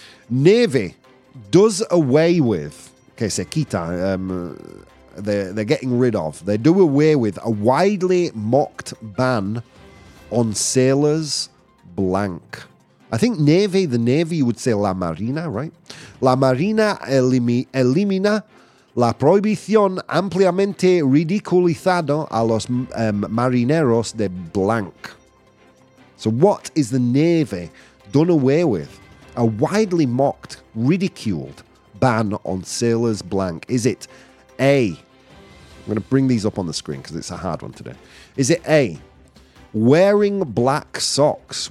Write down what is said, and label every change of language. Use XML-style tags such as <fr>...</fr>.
<en>Navy does away with, okay, say Kita, they're getting rid of, they do away with a widely mocked ban on sailors blank. I think Navy, the Navy would say La Marina, right?</en> <es>La Marina elimina la prohibición ampliamente ridiculizado a los marineros de blank.</es> <en>So what is the Navy done away with? A widely mocked, ridiculed ban on sailors blank. Is it A? I'm going to bring these up on the screen because it's a hard one today. Is it A? Wearing black socks.</en>